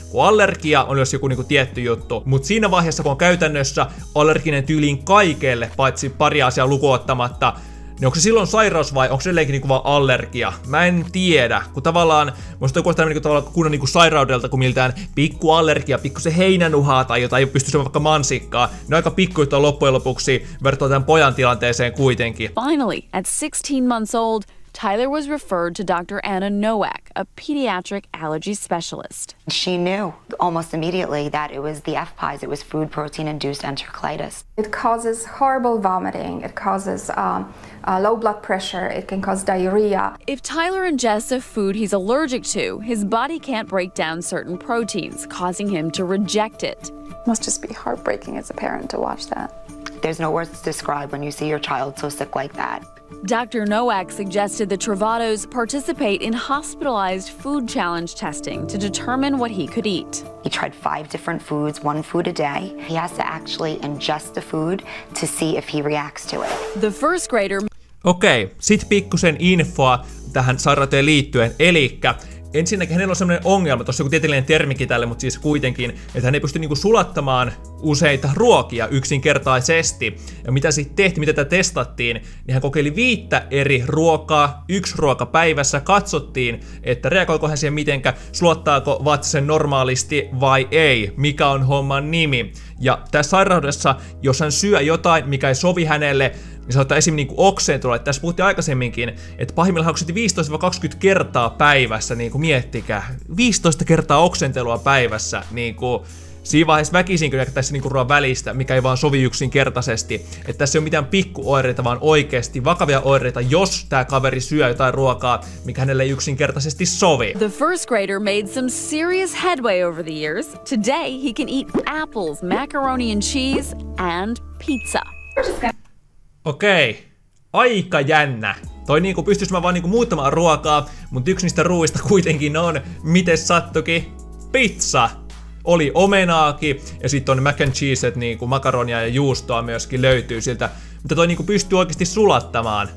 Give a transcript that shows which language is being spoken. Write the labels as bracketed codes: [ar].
[fi] Kun allergia on jos joku niinku tietty juttu. Mut siinä vaiheessa, kun on käytännössä allerginen tyyliin kaikelle, paitsi pari asiaa lukuottamatta, niin onko se silloin sairaus vai onko se edelleenkin niinku vaan allergia? Mä en tiedä. Kun tavallaan, musta joku niinku tavallaan kunnon niinku sairaudelta, kun miltään pikku allergia, pikku se heinänuhaa tai jotain, ei pysty syömään vaikka mansikkaa. Ne on aika pikku juttu loppujen lopuksi verrattuna tämän pojan tilanteeseen kuitenkin. [en] Finally, at 16 months old, Tyler was referred to Dr. Anna Nowak, a pediatric allergy specialist. She knew almost immediately that it was the FPIES, it was food protein-induced enterocolitis. It causes horrible vomiting, it causes low blood pressure, it can cause diarrhea. If Tyler ingests a food he's allergic to, his body can't break down certain proteins, causing him to reject it. It must just be heartbreaking as a parent to watch that. There's no words to describe when you see your child so sick like that. Dr. Nowak suggested the Truvados participate in hospitalized food challenge testing to determine what he could eat. He tried 5 different foods, 1 food a day. He has to actually ingest the food to see if he reacts to it. The first grader... [fi] Okei, sit pikkusen infoa tähän sairauteen liittyen. Elikkä ensinnäkin hänellä on sellainen ongelma, tuossa joku tieteellinen termikin tälle, mutta siis kuitenkin, että hän ei pysty niinku sulattamaan useita ruokia yksinkertaisesti. Ja mitä sitten tehtiin, mitä tätä testattiin, niin hän kokeili 5 eri ruokaa, 1 ruoka päivässä, katsottiin, että reagoiko hän siihen mitenkä, sulattaako vatsa sen normaalisti vai ei, mikä on homman nimi. Ja tässä sairaudessa, jos hän syö jotain, mikä ei sovi hänelle, niin sanotaan esim. Niin oksentulo, että tässä puhuttiin aikaisemminkin, että pahimmillaan hauksit 15-20 kertaa päivässä, niin kuin miettikää, 15 kertaa oksentelua päivässä, niin kuin siinä vaiheessa väkisinkö jäkättäisiin niin kuin ruoan välistä, mikä ei vaan sovi yksinkertaisesti, että tässä ei ole mitään pikkuoireita, vaan oikeasti vakavia oireita, jos tämä kaveri syö jotain ruokaa, mikä hänelle ei yksinkertaisesti sovi. [en] The first grader made some serious headway over the years. Today he can eat apples, macaroni and cheese and pizza. [fi] Okei, aika jännä. Toi niinku pystyis mä vaan niinku muuttamaan ruokaa, mut yksi niistä ruuista kuitenkin on, miten sattuki, pizza. Oli omenaakin, ja sit on mac and cheese, niinku makaronia ja juustoa myöskin löytyy siltä, mitä toi niinku pystyy oikeesti sulattamaan.